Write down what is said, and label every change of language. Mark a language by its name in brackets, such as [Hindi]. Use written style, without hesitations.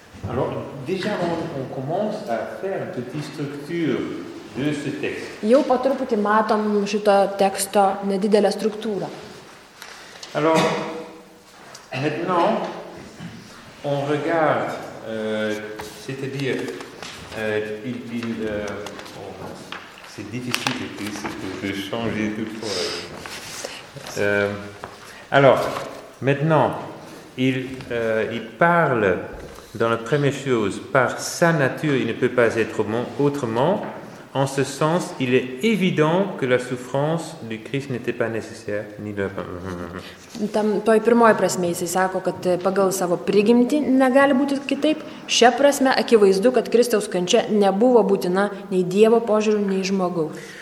[French] Alors, déjà on commence à faire une petite structure. [Lithuanian] Jau po truputį matom šito teksto nedidelę struktūrą. [French] Alors, maintenant, on regarde, c'est-à-dire, c'est difficile, je changer tout le temps. Alors, maintenant, il parle dans la première chose, par sa nature, il ne peut pas être autrement. En ce sens, il est évident que la souffrance du Christ n'était pas nécessaire ni de [Lithuanian] Tam toj pirmoji prasme jis sako, kad pagal savo prigimtį negali būti kitaip. Šia prasme akivaizdu, kad Kristaus kančia nebuvo būtina nei Dievo požiūriu, nei žmogaus.